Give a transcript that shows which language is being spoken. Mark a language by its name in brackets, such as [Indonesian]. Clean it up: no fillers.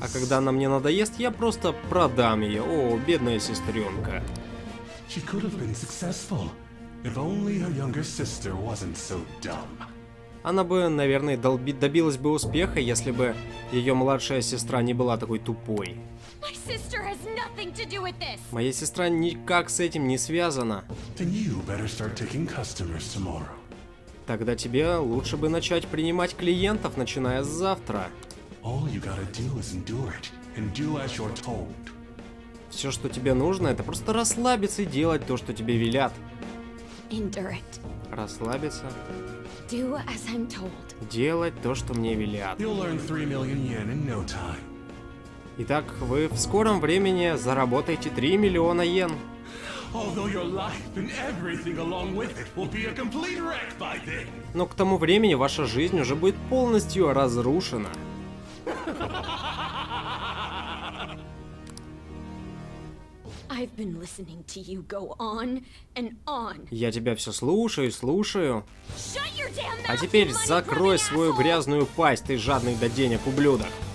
[Russian] А когда она мне надоест, я просто продам ее. О, бедная сестренка. [English] She could have been successful. If only her younger sister wasn't so dumb. [Russian] Она бы, наверное, добилась бы успеха, если бы ее младшая сестра не была такой тупой. [English] My sister has nothing to do with this. [Russian] Моя сестра никак с этим не связана. [English] Then you better start taking customers tomorrow. [Russian] Тогда тебе лучше бы начать принимать клиентов, начиная с завтра. [English] All you gotta do is endure it and do as you're told. [Russian] Все, что тебе нужно, это просто расслабиться и делать то, что тебе велят. [English] Endure it. [Russian] Расслабиться. [English] Do as I'm told. [Russian] Делать то, что мне велят. [English] You'll earn 3 million yen in no time. [Russian] Итак, вы в скором времени заработаете 3 миллиона йен. [English] Although your life and everything along with it will be a complete wreck by then. [Russian] Но к тому времени ваша жизнь уже будет полностью разрушена. [English] I've been listening to you go on and on. [Russian] Я тебя все слушаю и слушаю. [English] Shut your damn mouth, [Russian] а теперь [English] you [Russian] закрой свою грязную пасть, ты жадный до денег ублюдок.